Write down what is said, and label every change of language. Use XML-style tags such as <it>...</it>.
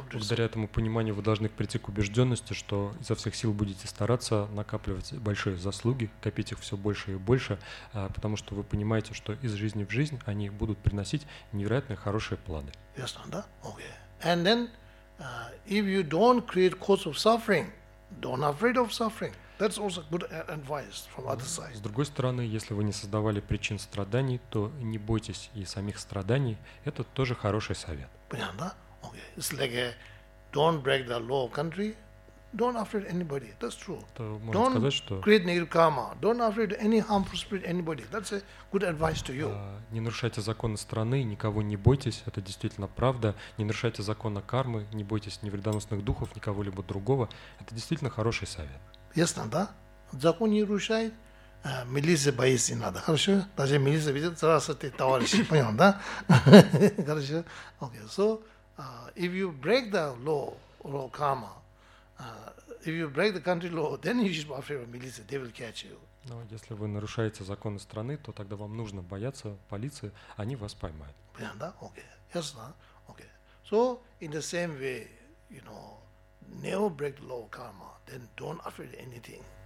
<ru>Благодаря этому пониманию вы должны прийти к убежденности, что изо всех сил будете стараться накапливать большие заслуги, копить их все больше и больше, потому что вы понимаете, что из жизни в жизнь они будут приносить невероятно хорошие плоды. Ясно, да?</ru> <en>Okay. And then if you don't create cause of suffering, don't afraid of suffering. That's also good advice from other side.</en> <ru>С другой стороны, если вы не создавали причин страданий, то не бойтесь и самих страданий. Это тоже хороший совет. Понятно, да?</ru> <en>Okay. It's like don't break the law of country, don't afraid anybody. That's true. Don't</en> <ru>сказать, что...</ru> <en>create negative karma. Don't afraid any harmful spirit anybody. That's a good advice to you.</en> <ru>Не нарушайте законы страны, никого не бойтесь, это действительно правда. Не нарушайте закона кармы, не бойтесь ни вредоносных духов, ни кого-либо другого. Это действительно хороший совет. Ясно, да? Закон не нарушает, Милиция боится, не надо. Хорошо? Даже милиция видит, здравствуйте, товарищи. Понял, да? Хорошо?</ru> <en>Okay. So, if you break the law or karma, if you break the country law, then you should be afraid of milicia, they will catch you.</en> <ru>Но если вы нарушаете законы страны, то тогда вам нужно бояться полиции, они вас поймают. Понятно, да?</ru> <en>Okay. Yes, no? Okay. So, in the same way, you know, never break the law of karma, then don't afraid of anything.</en>